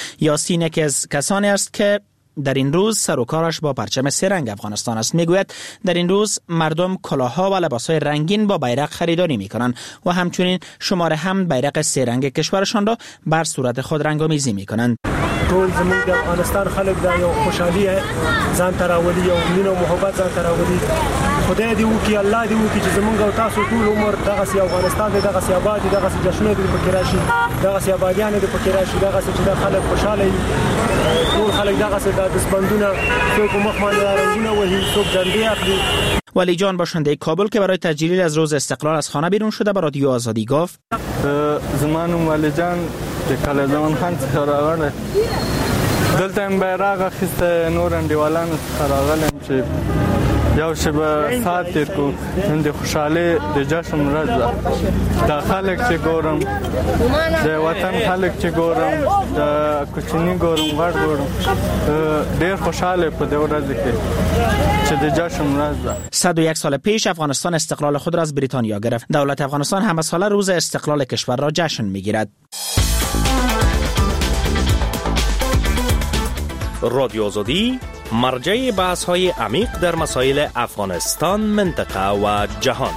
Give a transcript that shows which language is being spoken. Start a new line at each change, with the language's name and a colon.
Persian: یاسین یکی از کسانی است که در این روز سر و کارش با پرچم سه رنگ افغانستان است. میگوید در این روز مردم کلاها و لباسهای رنگین با بیرق خریداری می کنند و همچنین شماره هم بیرق سه رنگ کشورشان را بر صورت خود رنگ آمیزی می کنند.
Pashto: ټول زمونږ د افغانستان خلک دا یو خوشحالي ده، ځان ته راولي، یو مینه او محبت ځان ته راولي. خدای دې وکړي، الله دې وکړي چې زمونږ او تاسو ټول عمر دغسې افغانستان دی، دغسې آباد دی، دغسې جشنونه دې پکې راشي، دغسې آبادیانې دې پکې راشي، دغسې چې دا خلک خوشحاله وي، ټول خلک دغسې دا دستبندونه څوک په مخ باندې رنګونه وهي، څوک جنډې اخلي.
Persian: ولی جان باشنده کابل که برای تجلیل از روز استقلال از خانه بیرون شده به رادیو آزادی گفت:
Pashto: زمانم ولی جان د کلزان خان څخه راغله، دلته هم بیرغ اخیسته، نور انډیوالان څخه راغلم چې یو شبه سات تیر کو، نن د خوشحالۍ د جشن ورځ ده. دا خلک چې ګورم، د وطن خلک چې ګورم، د کوچني ګورم، غټ ګورم، ډیر خوشحاله په دې ورځ کې چې د جشن ورځ ده.
Persian: 101 سال پیش افغانستان استقلال خود را از بریتانیا گرفت. دولت افغانستان همه ساله روز استقلال کشور را جشن میگیرد. رادیو آزادی، مرجع بحث های عمیق در مسائل افغانستان، منطقه و جهان.